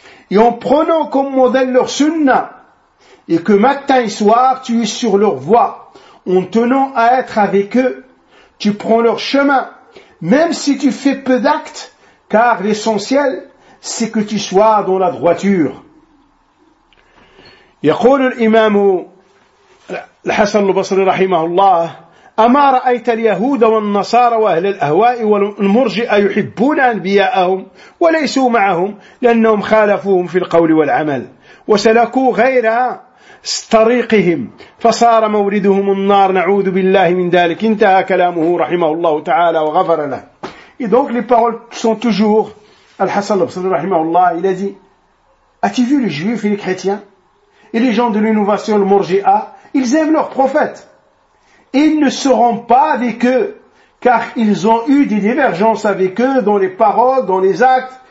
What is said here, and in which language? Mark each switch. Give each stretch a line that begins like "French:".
French: Et en prenant comme modèle leur sunnah. Et que matin et soir, tu es sur leur voie, en tenant à être avec eux, tu prends leur chemin, même si tu fais peu d'actes, car l'essentiel, c'est que tu sois dans la droiture.
Arabic: يقول الإمام الحسن البصري رحمه الله أما رأيت اليهود والنصارى وأهل الأهواء والمرجئة يحبون أنبياءهم وليسوا معهم لأنهم خالفوهم في القول والعمل وسلكوا غير طريقهم فصار موردهم النار نعوذ بالله من ذلك انتهى كلامه رحمه الله تعالى وغفر له.
French: Et donc les paroles sont toujours Al-Hassan al-Basri رحمه الله. Il a dit, as-tu vu les juifs et les chrétiens et les gens de l'innovation, le Murji'a? Ils aiment leurs prophètes, ils ne seront pas avec eux car ils ont eu des divergences avec eux dans les paroles, dans les actes.